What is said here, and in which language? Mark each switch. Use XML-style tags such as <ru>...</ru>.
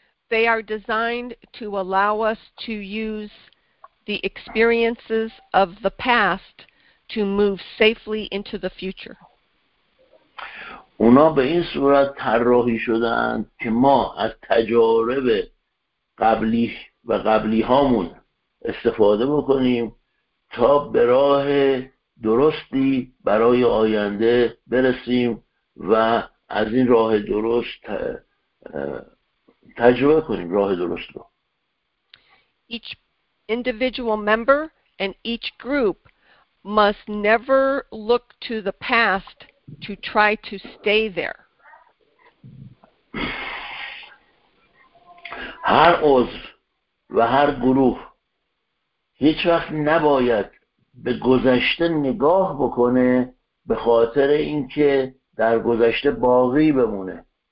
<en>They are designed to allow us to use the experiences of the past to move safely into the future.</en> <fa>اونا به این صورت طراحی شدن که ما از تجارب قبلی و قبلی هامون استفاده بکنیم تا به راه درستی برای آینده برسیم و از این راه درست تجربه کنیم راه درست رو.</fa> <en>Each individual member and each group must never look to the past to try to stay there.</en> <fa>هر عضو و هر گروه هیچ وقت نباید به گذشته نگاه بکنه به خاطر اینکه در گذشته باقی بمونه.</fa>